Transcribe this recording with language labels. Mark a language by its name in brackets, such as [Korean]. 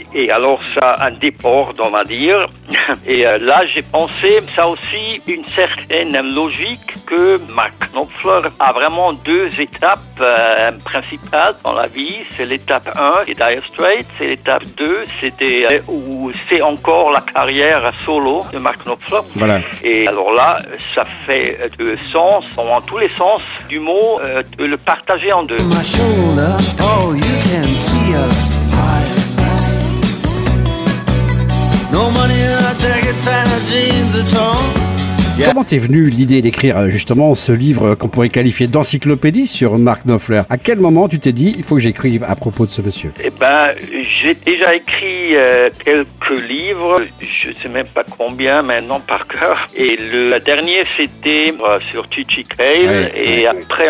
[French] Et alors, ça a un déport, on va dire. Et là, j'ai pensé, ça aussi, une certaine logique que Mark Knopfler a vraiment deux étapes principales dans la vie. C'est l'étape 1, c'est Dire Straits. C'est l'étape 2, c'était où c'est encore la carrière solo de Mark Knopfler. Voilà. Et alors là, ça fait deux sens, en tous les sens du mot, de le partager en deux. [English] My shoulder, all you can see of... No money in a jacket, tight jeans at all. Yeah. [French] Comment t'es venue l'idée d'écrire justement ce livre qu'on pourrait qualifier d'encyclopédie sur Mark Knopfler? À quel moment tu t'es dit, il faut que j'écrive à propos de ce monsieur? Eh ben, j'ai déjà écrit quelques livres, je ne sais même pas combien maintenant par cœur. Et le dernier, c'était sur Chichi Kale, ouais, et ouais, après ouais.